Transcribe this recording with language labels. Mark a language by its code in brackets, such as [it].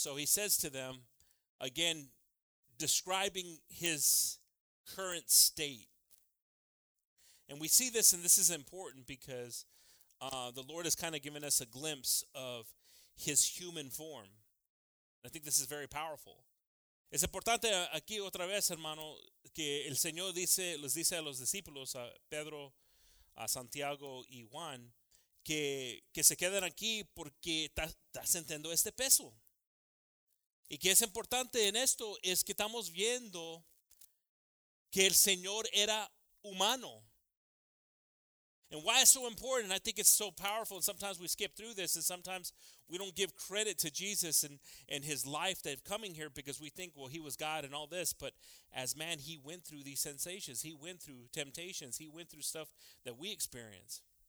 [en] So he says to them, again, describing his current state. And we see this, and this is important because the Lord has kind of given us a glimpse of his human form. I think this is very powerful. [es] Es importante aquí otra vez, hermano, que el Señor dice, les dice a los discípulos, a Pedro, a Santiago y Juan, que se quedan aquí porque estás entendiendo este peso. Y que es importante en esto es que estamos viendo que el Señor era humano. [en] And why it's so important, I think it's so powerful, and sometimes we skip through this, and sometimes we don't give credit to Jesus and his life that coming here because we think, well, he was God and all this, but as man, he went through these sensations. He went through temptations. He went through stuff that we experience.